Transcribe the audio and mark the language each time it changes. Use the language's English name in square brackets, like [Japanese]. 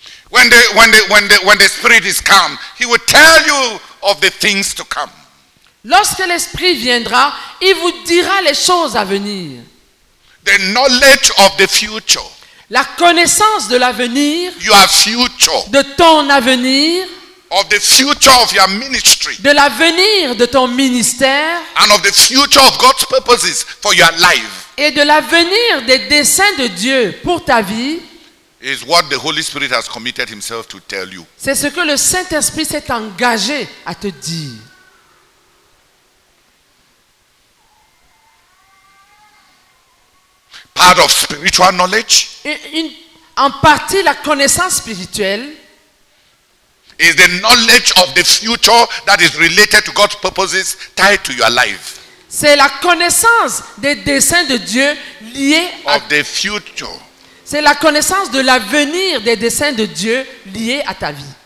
[English] When the spirit is calm, he will tell you of the things to come. [French] Lorsque l'esprit viendra, il vous dira les choses à venir. [English] The knowledge of the future. [French] La connaissance de l'avenir. [English] Your future. [French] De ton avenir. [English] Of the future of your ministry. [French] De l'avenir de ton ministère. [English] And of the future of God's purposes for your life. [French] Et de l'avenir des desseins de Dieu pour ta vie. [English] Is what the Holy Spirit has committed himself to tell you. [French] C'est ce que le Saint-Esprit s'est engagé à te dire. [English] Part of spiritual knowledge. [French] En partie la connaissance spirituelle. [English] Is the knowledge of the future that is related to God's purposes tied to your life. [French] C'est la connaissance des desseins de Dieu liés à. [English] Of the future. [French] C'est la connaissance de l'avenir des desseins de Dieu liés à ta vie.